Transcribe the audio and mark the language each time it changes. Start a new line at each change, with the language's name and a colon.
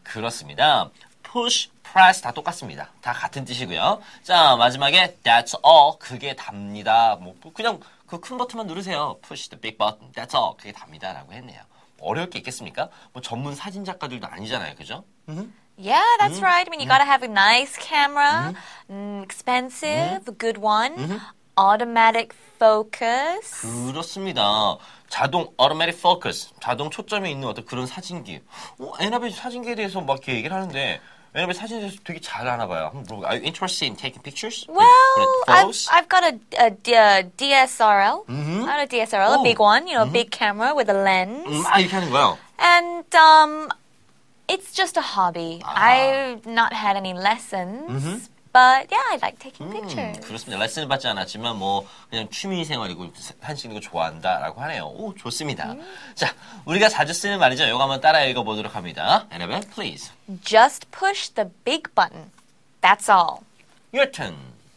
Korean: 그렇습니다. Push, press 다 똑같습니다. 다 같은 뜻이고요. 자, 마지막에
English: that's all.
Korean: 그게 답니다. 뭐 그냥 그 큰 버튼만 누르세요.
English: Push the big button. That's all.
Korean: 그게 답니다. 라고 했네요. 어려울 게 있겠습니까? 뭐 전문 사진 작가들도 아니잖아요. 그죠?
English: Yeah, that's right. I mean, you gotta have a nice camera, expensive, good one, automatic focus.
Korean: 그렇습니다. 자동 automatic focus, 자동 초점이 있는 어떤 그런 사진기. 어, 애나벨 사진기에 대해서 막 이렇게 얘기를 하는데 애나벨 사진에 대해서 되게 잘 아나 봐요.
English: Are you interested in taking pictures? Well, I've got a DSLR, not a DSLR, a big one, you know, a big camera with a lens.
Korean: 아, 이렇게 하는 거요?
English: And, it's just a hobby. 아. I've not had any lessons, but yeah, I like taking pictures.
Korean: 그렇습니다. 레슨을 받지 않았지만 뭐 그냥 취미생활이고 사진 찍는 거 좋아한다라고 하네요. 오, 좋습니다. 자, 우리가 자주 쓰는 말이죠. 이거 한번 따라 읽어보도록 합니다.
English: Annabelle, please. Just push the big button. That's all. Your turn.